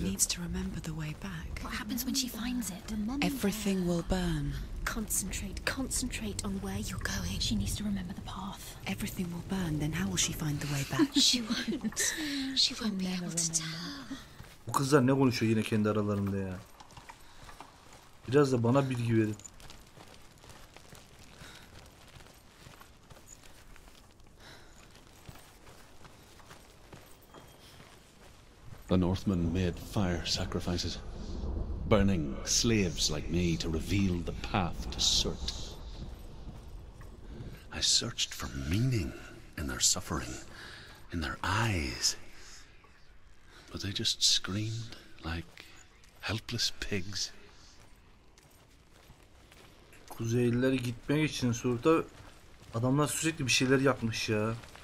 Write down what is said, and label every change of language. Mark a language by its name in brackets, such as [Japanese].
[English] She needs to remember the way back. What happens when she finds it? Everything will burn. Concentrate, concentrate on where you're going. She needs to remember the path. Everything will burn. Then how will she find the way back? She won't. She won't be able to tell. [Turkish] Bu kızlar ne konuşuyor yine kendi aralarında ya? Biraz da bana bilgi verin. [English] The Northmen made fire sacrifices, burning slaves like me to reveal the path to Surt. I searched for meaning in their suffering, in their eyes. But they just screamed like helpless pigs. [Turkish] Kuzeyliler gitmek için Surt'a adamlar sürekli bir şeyler yapmış ya.